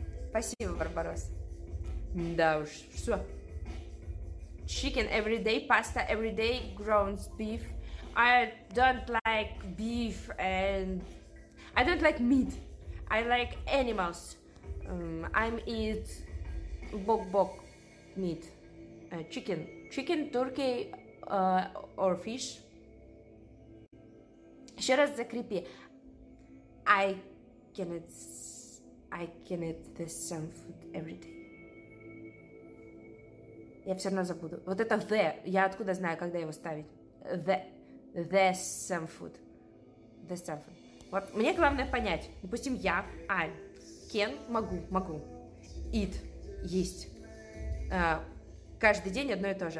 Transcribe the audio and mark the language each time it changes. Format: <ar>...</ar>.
<ru>Спасибо, Барбарос. Да уж. Все.</ru> <en>chicken every day, pasta every day, ground beef. I don't like beef and I don't like meat. I like animals. I eat bok meat, chicken, turkey, or fish.</en> <ru>Еще раз закрепи.</ru> <en>I can eat the same food every day.</en> <ru>Я все равно забуду. Вот это the, я откуда знаю, когда его ставить?</ru> <en>The same food. The same food.</en> <ru>Вот мне главное понять. Допустим, я, I, can, могу. Eat, есть. Каждый день одно и то же.</ru>